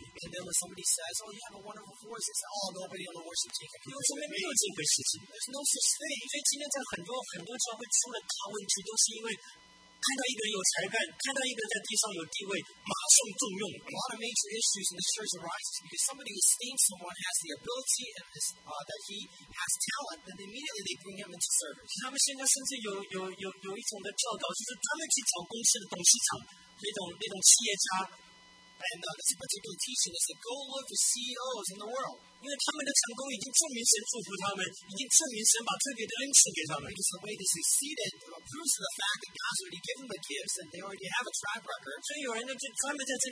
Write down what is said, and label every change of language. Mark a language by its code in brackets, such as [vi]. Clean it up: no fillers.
[en] And then when somebody says, "Oh, you have a wonderful voice," he said, "Oh, nobody on the worship team can compare." [zh] 我说没有这个事情。 [en] There's no such thing. [zh] 所以今天在很多教会出了大问题，都是因为。看到一个人有才干，看到一个人在地上有地位，马上重用。 [en] A lot of major issues in the church arises because somebody esteems someone has the ability and is, that he has talent, then immediately they bring him into service. [zh] 他们现在甚至有一种的教导，就是专门去找公司的董事长，那种企业家。 [en] And this particular teaching is to go look for CEOs in the world. Because the way they succeeded proves to the fact that God's already given the gifts and they already have a track record.